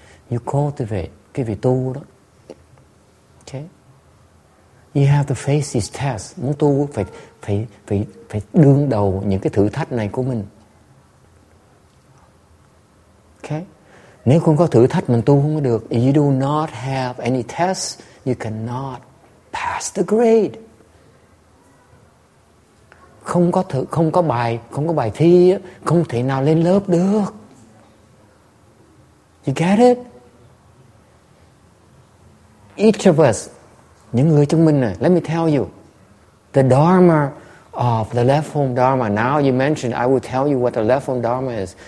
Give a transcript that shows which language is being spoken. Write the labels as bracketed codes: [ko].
[en] You cultivate, [vi] cái vị tu đó. Okay? [en] You have to face this test. [vi] Muốn tu phải đương đầu những cái thử thách này của mình. Okay? Nếu không có thử thách mình tu không có được. [en] If you do not have any test, you cannot pass the grade. [vi] Không có bài thi, không thể nào lên lớp được. [en] You get it? Each of us, [vi] những người trong mình này, [en] let me tell you, the Dharma of the left form Dharma, now you mentioned, I will tell you what the left form Dharma is.